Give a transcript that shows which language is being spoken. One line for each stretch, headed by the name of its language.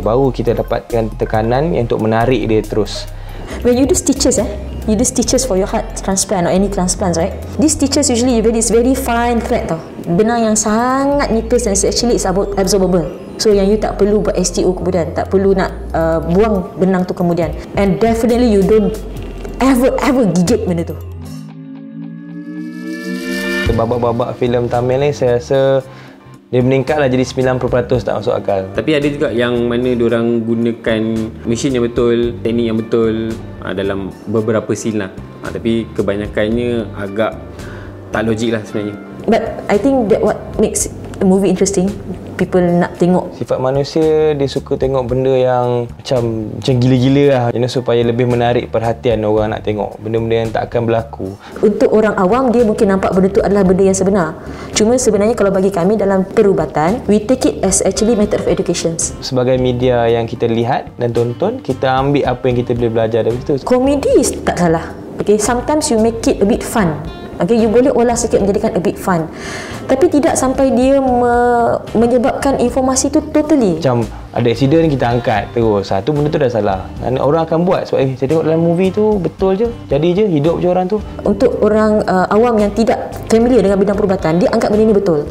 Malay: Baru kita dapatkan tekanan yang untuk menarik dia terus.
English: When you do stitches, you do stitches for your heart transplant or any transplants, right? These stitches usually you get this very fine thread tau.
Malay: Benang yang sangat nipis
English: and actually it's absorbable.
Malay: So yang you tak perlu buat STO kemudian, tak perlu nak buang benang tu kemudian.
English: And definitely you don't ever
Malay: gigit benda tu. Babak-babak filem Tamil ni saya rasa dia meningkatlah jadi 90% tak masuk akal. Tapi ada juga yang mana diorang gunakan mesin yang betul, teknik yang betul dalam beberapa scene lah. Tapi kebanyakannya agak tak logik lah sebenarnya.
English: But I think that what makes the movie interesting, people
Malay: nak tengok. Sifat manusia dia suka tengok benda yang macam gila-gila lah,
English: you know,
Malay: supaya lebih menarik perhatian orang nak tengok benda-benda yang tak akan berlaku. Untuk orang awam dia mungkin nampak benda tu adalah benda yang sebenar. Cuma sebenarnya kalau bagi kami dalam perubatan,
English: we take it as actually method of education.
Malay: Sebagai media yang kita lihat dan tonton, kita ambil apa yang kita boleh belajar dari situ. Komedi tak salah.
English: Okay, sometimes you make it a bit fun. Okay, you
Malay: boleh olah sikit menjadikan
English: a bit fun.
Malay: Tapi tidak sampai dia menyebabkan informasi tu
English: totally.
Malay: Macam ada accident kita angkat terus. Satu benda tu dah salah. Dan orang akan buat sebab saya tengok dalam movie tu betul je. Jadi je, hidup je orang tu. Untuk orang awam yang tidak familiar dengan bidang perubatan, dia angkat benda ni betul.